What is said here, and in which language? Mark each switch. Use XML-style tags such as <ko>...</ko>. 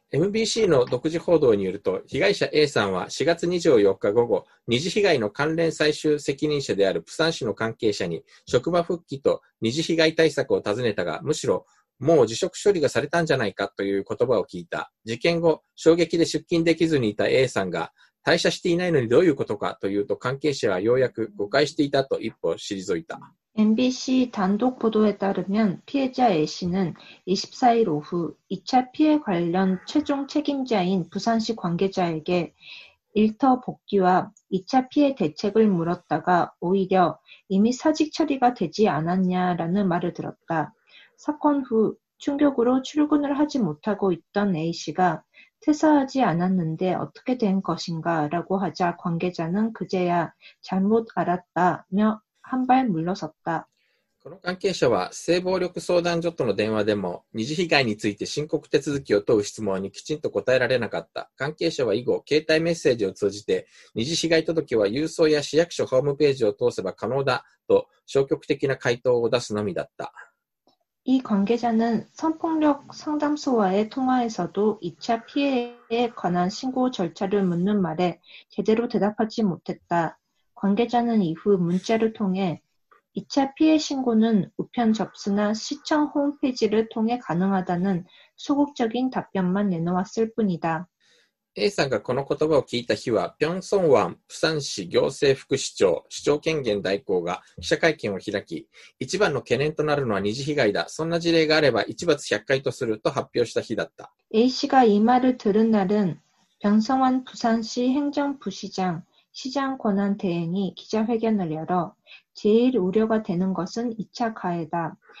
<ja>MBC 의독지報道によると、被害者 A さんは4月24日午後、二次被害の関連最終責任者である부산시の関係者に職場復帰と二次被害対策を尋ねたが、むしろもう辞職処理がされたんじゃないかという言葉を聞いた。事件後、衝撃で出勤できずにいた A さんが、退社していないのにどういうことかというと、関係者はようやく誤解していたと一歩退いた。</ja> <ko>NBC 단독 보도에 따르면 피해자 A 씨는 24일 오후 2차 피해 관련 최종 책임자인 부산시 관계자에게 일터 복귀와 2차 피해 대책을 물었다가 오히려 이미 사직 처리가 되지 않았냐라는 말을 들었다。사건후충격으로출근을하지못하고있던 A 씨가 퇴사하지 않았는데 어떻게 된 것인가 라고 하자 관계자는 그제야 잘못 알았다며 한 발 물러섰다.</ko> <ja>この関係者は性暴力相談所との電話でも二次被害について申告手続きを問う質問にきちんと答えられなかった。関係者は以後、携帯メッセージを通じて二次被害届は郵送や市役所ホームページを通せば可能だと消極的な回答を出すのみだった。</ja> <ko>이 관계자는 성폭력 상담소와의 통화에서도 2차 피해에 관한 신고 절차를 묻는 말에 제대로 대답하지 못했다. 관계자는 이후 문자를 통해 2차 피해 신고는 우편 접수나 시청 홈페이지를 통해 가능하다는 소극적인 답변만 내놓았을 뿐이다.</ko> <ja>A さんがこの言葉を聞いた日は、平壌湾釜山市行政副市長、市長権限代行が記者会見を開き、一番の懸念となるのは二次被害だ。そんな事例があれば、一罰100回とすると発表した日だった。 A 氏が</ja> <ko>이말을들은날은、平壌湾釜山市행政부시장、시장권한대행이기자회견을열어、제일우려가되는것은2차가해다。</ko>